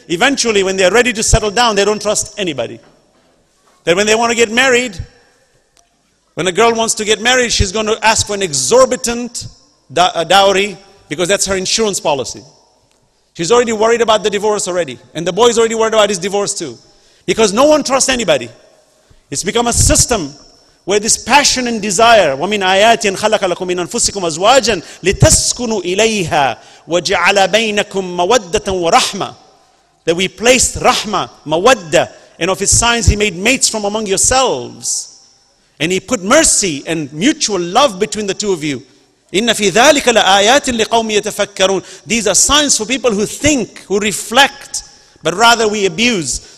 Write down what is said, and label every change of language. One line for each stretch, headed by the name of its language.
English: Eventually, when they're ready to settle down, they don't trust anybody. Then when they want to get married, when a girl wants to get married, she's going to ask for an exorbitant dowry because that's her insurance policy. She's already worried about the divorce already. And the boy's already worried about his divorce too. Because no one trusts anybody. It's become a system where this passion and desire,
Arabic: وَمِنْ آيَاتٍ خَلَقَ لَكُمْ مِنْ أَنفُسِكُمْ أَزْوَاجًا لِتَسْكُنُوا إِلَيْهَا وَجَعَلَ بَيْنَكُمْ مَوَدَّةً وَرَحْمَةً.
English: That we placed rahma, mawadda, and of his signs he made mates from among yourselves. And he put mercy and mutual love between the two of you.
Arabic: إِنَّ فِي ذَلِكَ لَآيَاتٍ لِقَوْمٍ يَتَفَكَّرُونَ.
English: These are signs for people who think, who reflect, but rather we abuse.